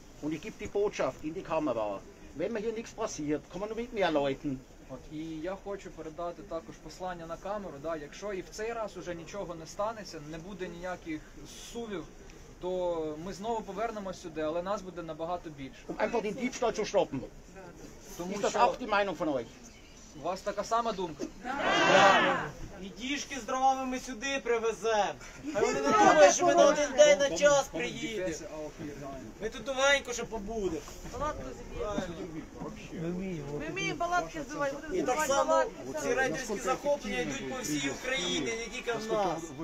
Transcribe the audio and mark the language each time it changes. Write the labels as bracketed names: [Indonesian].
[German] Und ich gebe die Botschaft in die Kamera. Wenn mir hier nichts passiert, kommen wir mit mehr Leuten. [Ukrainian] От, і я хочу передати також послання на камеру, да, якщо і в цей раз уже нічого не станеться, не буде ніяких сувів, то ми знову повернемось сюди, але нас буде набагато більше. [German] Um einfach den Diebstahl zu stoppen. [Ukrainian] Тому [German] ist das auch die Meinung von euch? [Ukrainian] У вас така сама думка? І діжки з дровами ми сюди привеземо. А вони не думають, що ми на один день на час приїдемо. Ми тут довгенько ще побудемо. Ми вміємо палатки збивати. І так само ці рейдерські захоплення йдуть по всій Україні, не тільки в нас.